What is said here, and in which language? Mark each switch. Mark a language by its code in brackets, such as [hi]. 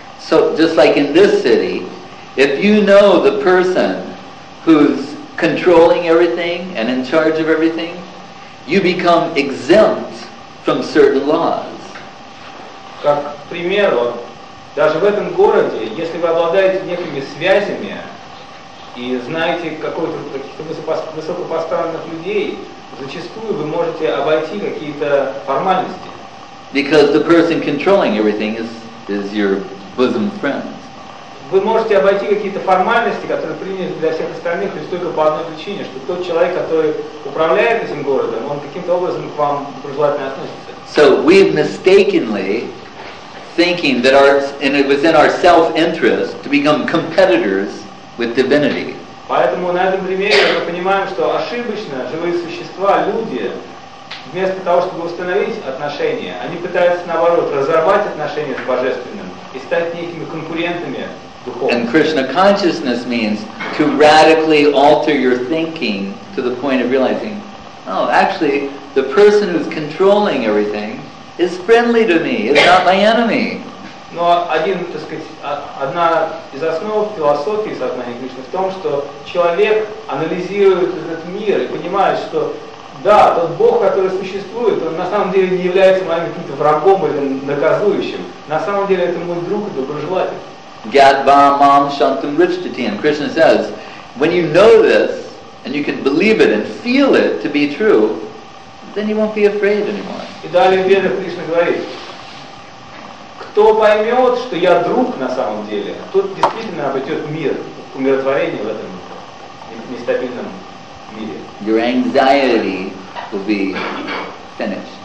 [en] So, just like in this city, if you know the person who's controlling everything and in charge of everything, you become exempt from certain laws. [ru] Как пример, даже в этом городе, если вы обладаете некими связями, и знаете каких-то высокопоставленных людей, зачастую вы можете обойти какие-то формальности. [en] Because the person controlling everything is your bosom friend. [ru] Вы можете обойти какие-то формальности, которые приняты для всех остальных, лишь только по одной причине, что тот человек, который управляет этим городом, он каким-то образом к вам дружелательно относится. [en] So we've mistakenly thinking that and it was in our self-interest to become competitors with divinity. [ru] Поэтому на этом примере мы понимаем, что ошибочно живые существа, люди, вместо того, чтобы установить отношения, они пытаются наоборот разорвать отношения с божественным и стать некими конкурентами духовными. [en] And Krishna consciousness means to radically alter your thinking to the point of realizing, oh, actually, the person who's controlling everything is friendly to me, is not my enemy. [ru] Но одна из основ философии сознания Кришны в том, что человек анализирует этот мир и понимает, что да, тот Бог, который существует, он на самом деле не является моим каким-то врагом или наказующим. На самом деле это мой друг и доброжелатель. [sa] Gadva mam shantam richtatiyam. [en] Krishna says, when you know this, and you can believe it and feel it to be true, then you won't be afraid anymore. [ru] И далее Веда Кришна говорит, кто поймет, что я друг на самом деле, тот действительно обретет мир, умиротворение в этом нестабильном мире. [en] Your anxiety will be finished.